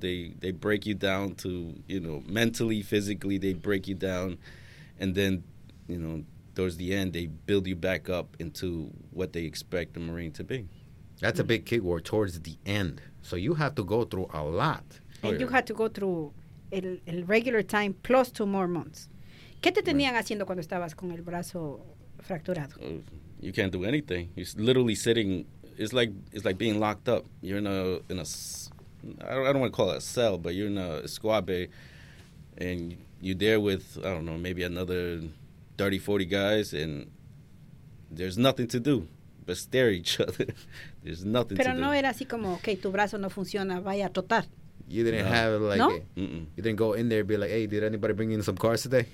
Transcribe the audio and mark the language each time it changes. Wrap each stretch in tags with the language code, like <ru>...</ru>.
<en>They break you down to, you know, mentally, physically, they break you down. And then, you know, towards the end, they build you back up into what they expect the Marine to be. That's a big key word, towards the end. So you have to go through a lot. And you had to go through el regular time plus 2 more months.</en> <es>¿Qué te tenían haciendo cuando estabas con el brazo fracturado?</es> <en>You can't do anything. You're literally sitting. It's like being locked up. You're I don't want to call it a cell, but you're in a squad bay, and you're there with, I don't know, maybe another 30, 40 guys, and there's nothing to do but stare at each other. There's nothing</en> <es>Pero no</es> <en>do.</en> <es>Pero no era así como, okay, tu brazo no funciona, vaya a trotar.</es> <en>You didn't have like,</en> <es>no?</es> <en>You didn't go in there and be like, hey, did anybody bring in some cars today?</en>